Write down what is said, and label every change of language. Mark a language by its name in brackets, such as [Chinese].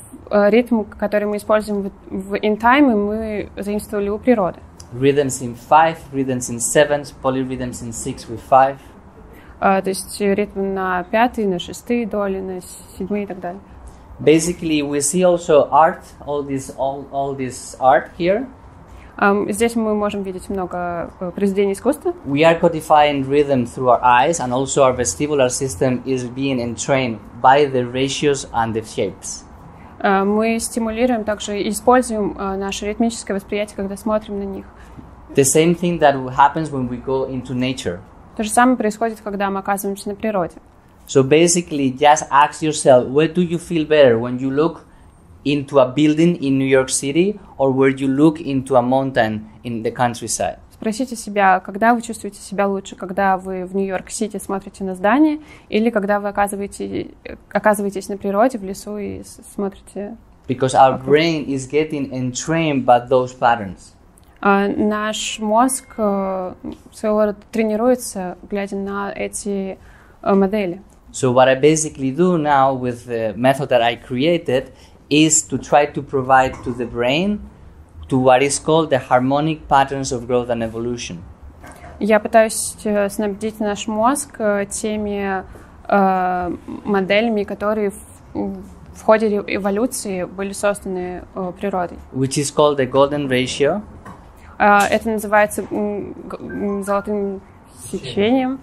[Russian] Ритм, который мы используем в In Time, мы заимствовали у природы. [English] Rhythms in 5, rhythms in 7, polyrhythms in 6 with 5. [Russian] То есть ритм на пятый, на шестые доли, на седьмые и так далее. [English] Basically, we see also art, all this art here. [Russian] Здесь мы можем видеть много произведений искусства. [English] We are codifying rhythm through our eyes, and also our vestibular system is being entrained by the ratios and the shapes. [Russian] Мы стимулируем также и используем наше ритмическое восприятие, когда смотрим на них. [English] The same thing that happens when we go into nature. [Russian] То же самое происходит, когда мы оказываемся на природе. [English] So basically, just ask yourself, where do you feel better when you look into a building in New York City, or where you look into a mountain in the countryside. [Russian] Спросите себя, когда вы чувствуете себя лучше, когда вы в Нью-Йорк-Сити смотрите на здание, или когда вы оказываетесь на природе, в лесу и смотрите. [English] Because our brain is getting entrained by those patterns. [Russian] Наш мозг своего рода тренируется, глядя на эти модели. [English] So what I basically do now with the method that I created is to try to provide to the brain to what is called the harmonic patterns of growth and evolution. [Russian] Я пытаюсь снабдить наш мозг теми моделями, которые в ходе эволюции были созданы природой. [English] Which is called the golden ratio. [Russian] Это называется золотым сечением.